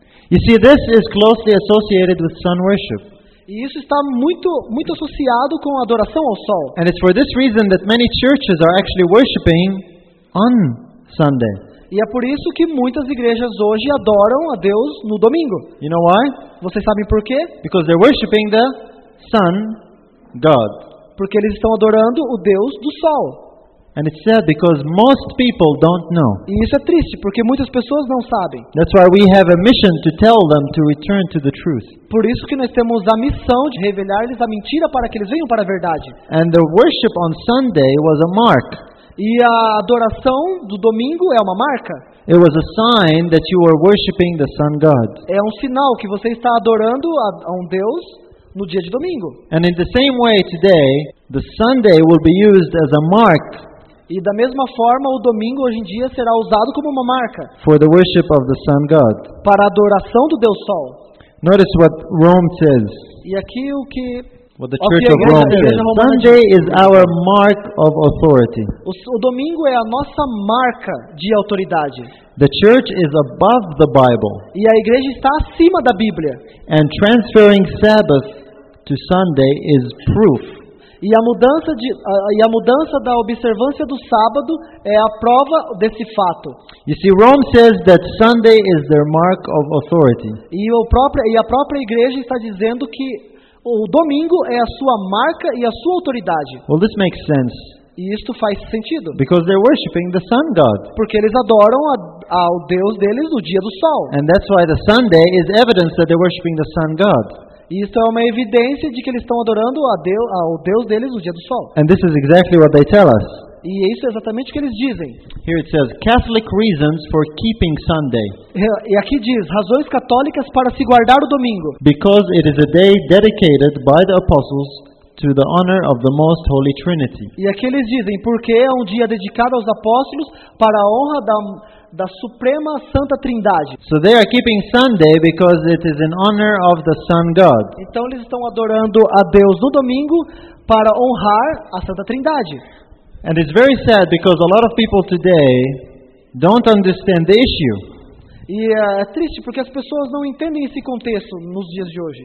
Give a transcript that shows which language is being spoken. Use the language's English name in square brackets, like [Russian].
[English] You see, this is closely associated with sun worship. [Portuguese] E isso está muito, muito associado com a adoração ao sol. [English] And it's for this reason that many churches are actually worshiping on Sunday. [Portuguese] E é por isso que muitas igrejas hoje adoram a Deus no domingo. [English] You know why? [Portuguese] Vocês sabem por quê? [English] Because they're worshiping the sun god. [Portuguese] Porque eles estão adorando o Deus do sol. [English] And it's sad because most people don't know. [Portuguese] E isso é triste porque muitas pessoas não sabem. [English] That's why we have a mission to tell them to return to the truth. [Portuguese] Por isso que nós temos a missão de revelar-lhes a mentira para que eles venham para a verdade. [English] And the worship on Sunday was a mark. [Portuguese] E a adoração do domingo é uma marca. [English] It was a sign that you were worshiping the sun god. [Portuguese] É um sinal que você está adorando a um Deus no dia de domingo. [English] And in the same way today, the Sunday will be used as a mark. [Portuguese] E da mesma forma, o domingo hoje em dia será usado como uma marca. [English] For the worship of the sun god. [Portuguese] Para a adoração do Deus Sol. [English] Notice what Rome says. [Portuguese] E aqui o que [English] what the Church of Rome says. Sunday is our mark of authority. [Portuguese] O domingo é a nossa marca de autoridade. [English] The church is above the Bible. [Portuguese] E a igreja está acima da Bíblia. [English] And transferring Sabbath to Sunday is proof. [Portuguese] E a mudança da observância do sábado é a prova desse fato. [English] You see, Rome says that Sunday is their mark of authority. [Portuguese] E a própria igreja está dizendo que o domingo é a sua marca e a sua autoridade. [English] Well, this makes sense. [Portuguese] E isto faz sentido. [English] Because they're worshiping the sun god. [Portuguese] Porque eles adoram ao Deus deles no dia do sol. [English] And that's why the Sunday is evidence that they're worshiping the sun god. [Portuguese] E isso é uma evidência de que eles estão adorando ao Deus deles no dia do sol. [English] And this is exactly what they tell us. [Portuguese] E isso é exatamente o que eles dizem. [English] Here it says, Catholic reasons for keeping Sunday. [Portuguese] E aqui diz, razões católicas para se guardar o domingo. [English] Because it is a day dedicated by the apostles to the honor of the most holy Trinity. [Portuguese] E aqui eles dizem, porque é um dia dedicado aos apóstolos para a honra da suprema Santa Trindade. [English] So they are keeping Sunday because it is in honor of the sun god. [Portuguese] Então eles estão adorando a Deus no domingo para honrar a Santa Trindade. [English] And it's very sad because a lot of people today don't understand the issue. [Portuguese] E é triste porque as pessoas não entendem esse contexto nos dias de hoje.